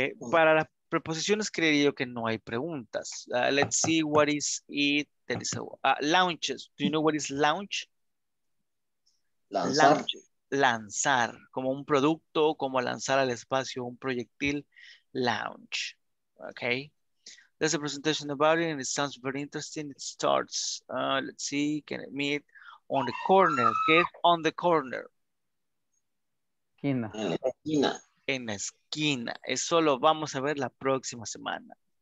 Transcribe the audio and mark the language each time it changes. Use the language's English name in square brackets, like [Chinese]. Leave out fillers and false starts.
[Spanish] Para las preposiciones creería yo que no hay preguntas. [English] Let's see what is it. There is a, launches. Do you know what is launch? [Spanish] Lanzar, como un producto, como lanzar al espacio un proyectil, launch. Okay. [English] There's a presentation about it and it sounds very interesting. It starts, let's see, can it meet on the corner? [Spanish] ¿Qué es [English] on the corner? [Spanish] Esquina. En la esquina. Eso lo vamos a ver la próxima semana.